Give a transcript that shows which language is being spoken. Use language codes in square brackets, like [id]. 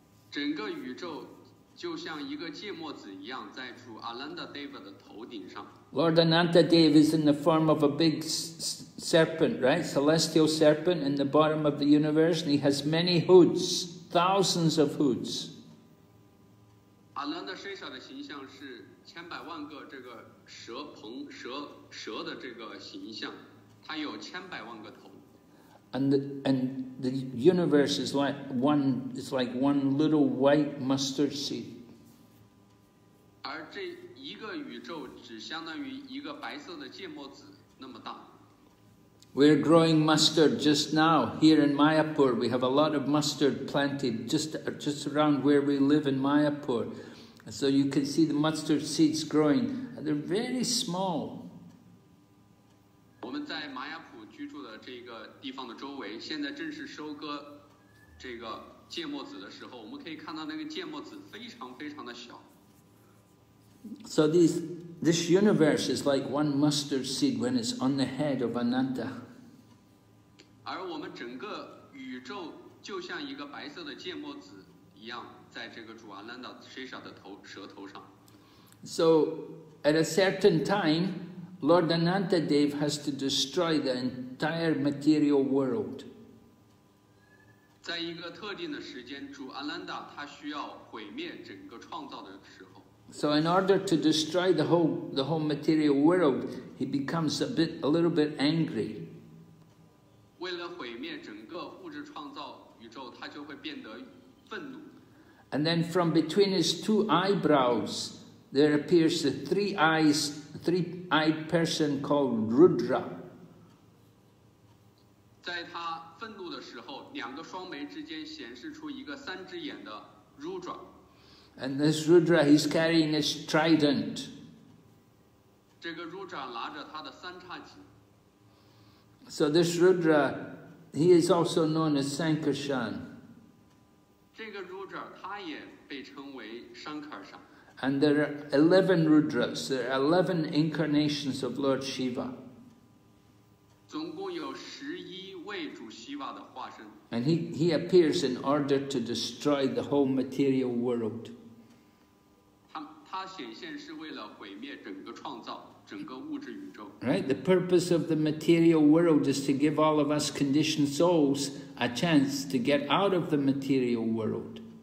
[zh] 整个宇宙就像一个芥末籽一样，在主 Anantadeva 的头顶上。 [en] Lord Anantadeva is in the form of a big serpent, right? Celestial serpent in the bottom of the universe, and he has many hoods, thousands of hoods. [zh] Ananda 身上的形象是千百万个这个蛇棚蛇的这个形象，它有千百万个头。 [en] And the universe is like one, it's like one little white mustard seed. [zh] 而这一个宇宙只相当于一个白色的芥末籽那么大。 [en] We're growing mustard just now here in Mayapur. We have a lot of mustard planted just around where we live in Mayapur. So you can see the mustard seeds growing. They're very small. [zh] 我们在马雅普居住的这个地方的周围，现在正是收割这个芥末籽的时候，我们可以看到那个芥末籽非常非常的小。 [en] So these, This universe is like one mustard seed when it's on the head of Ananda. [zh] 而我们整个宇宙就像一个白色的芥末籽一样，在这个主阿难达身上的头舌头上。 [en] So at a certain time, Lord Ananta Dev has to destroy the entire material world. [zh] 在一个特定的时间，主阿难达他需要毁灭整个创造的时候。 [en] So in order to destroy the whole material world, he becomes a little bit angry. [zh] 为了毁灭整个物质创造宇宙，他就会变得愤怒。 [en] And then from between his two eyebrows, there appears a three-eyed person called Rudra. [zh] 在他愤怒的时候，两个双眉之间显示出一个三只眼的 Rudra。 [en] And this Rudra, he's carrying his trident. [zh] 这个 Rudra 拿着他的三叉戟。 [en] So this Rudra, he is also known as Sankarshan. [zh] 这个 Rudra 他也被称为 Sankarshan. [en] And there are 11 Rudras. There are 11 incarnations of Lord Shiva. [zh] 总共有十一位主 Shiva 的化身。 [en] And he appears in order to destroy the whole material world. [zh] 它显现是为了毁灭整个创造，整个物质宇宙。 [en] Right, the purpose of the material world is to give all of us conditioned souls a chance to get out of the material world.